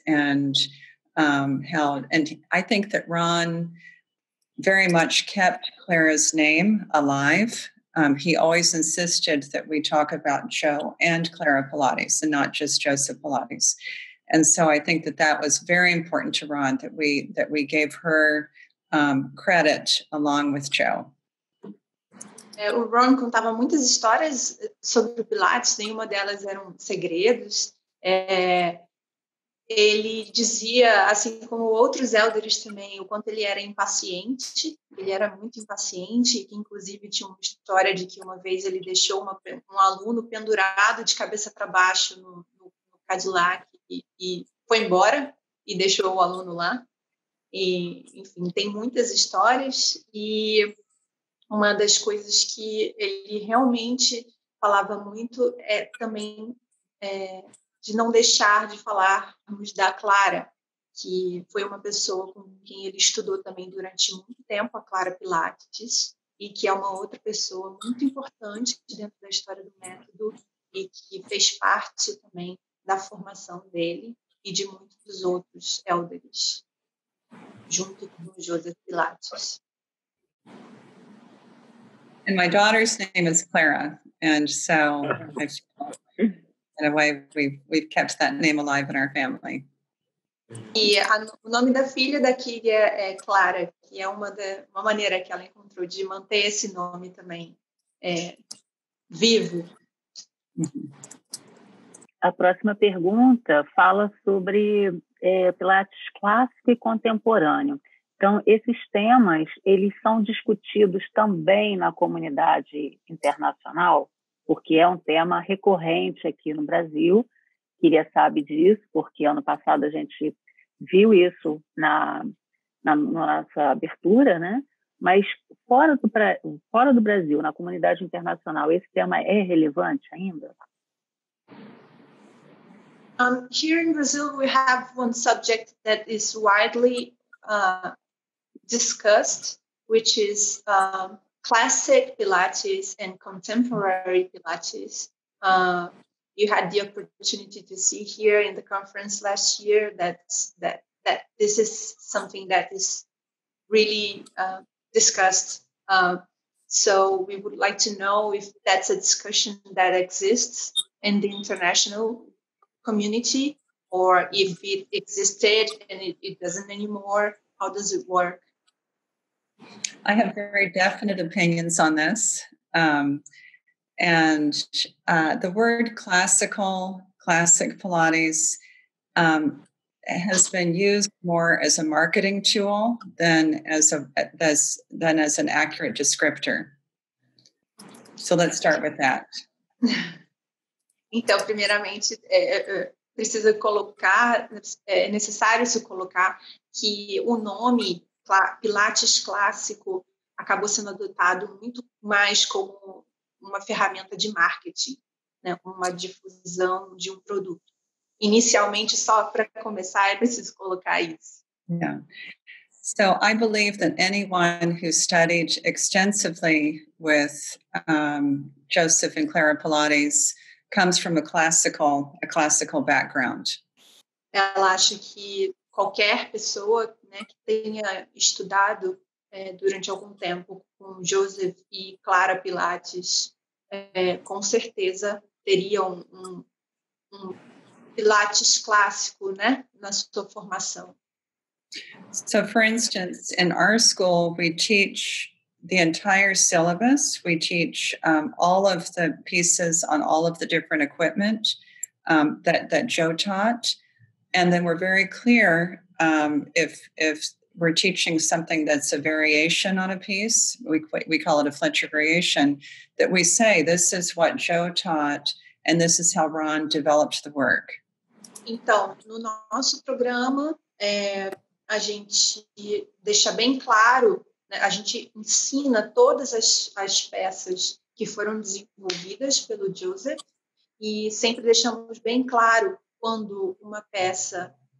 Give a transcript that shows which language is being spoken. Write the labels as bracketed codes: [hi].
[en] And I think that Ron very much kept Clara's name alive. He always insisted that we talk about Joe and Clara Pilates and not just Joseph Pilates. And so I think that was very important to Ron, that we gave her credit along with Joe. [pt] O Ron contava muitas histórias sobre Pilates, nenhuma delas eram segredos. Ele dizia, assim como outros elders também, o quanto ele era impaciente. Ele era muito impaciente, que inclusive tinha uma história de que uma vez ele deixou um aluno pendurado de cabeça para baixo no Cadillac e foi embora e deixou o aluno lá. E, enfim, tem muitas histórias. E uma das coisas que ele realmente falava muito é também... de não deixar de falarmos da Clara, que foi uma pessoa com quem ele estudou também durante muito tempo, a Clara Pilates, e que é uma outra pessoa muito importante dentro da história do método e que fez parte também da formação dele e de muitos dos outros elders, junto com o Joseph Pilates. [en] And my daughter's name is Clara, and so... In a way, we've kept that name alive in our family. [pt] E o nome da filha da Kiria é Clara, que é uma maneira que ela encontrou de manter esse nome também vivo. A próxima pergunta fala sobre Pilates clássico e contemporâneo. Então, esses temas, eles são discutidos também na comunidade internacional? Porque é um tema recorrente aqui no Brasil. Kiria sabe disso, porque ano passado a gente viu isso na nossa abertura, né? Mas fora do Brasil, na comunidade internacional, esse tema é relevante ainda? [en] Here in Brazil, we have one subject that is widely discussed, which is... classic Pilates and contemporary Pilates. You had the opportunity to see here in the conference last year that this is something that is really discussed. So we would like to know if that's a discussion that exists in the international community or if it existed and it doesn't anymore. How does it work? I have very definite opinions on this, the word classic Pilates has been used more as a marketing tool than as an accurate descriptor. So let's start with that. [pt] Então, primeiramente, precisa colocar, é necessário se colocar que o nome Pilates clássico acabou sendo adotado muito mais como uma ferramenta de marketing, né, uma difusão de um produto. Inicialmente, só para começar, eu preciso colocar isso. [en] Yeah. So I believe that anyone who studied extensively with Joseph and Clara Pilates comes from a classical background. [pt] Ela acha que qualquer pessoa, né, que tenha estudado durante algum tempo com Joseph e Clara Pilates, com certeza teria um Pilates clássico, né, na sua formação. [en] So, for instance, in our school, we teach the entire syllabus. We teach all of the pieces on all of the different equipment that Joe taught. And then we're very clear if we're teaching something that's a variation on a piece, we call it a Fletcher variation, that we say, this is what Joe taught, and this is how Ron developed the work. [pt] Então, no nosso programa, a gente deixa bem claro, né, a gente ensina todas as peças que foram desenvolvidas pelo Joseph, e sempre deixamos bem claro quando uma peça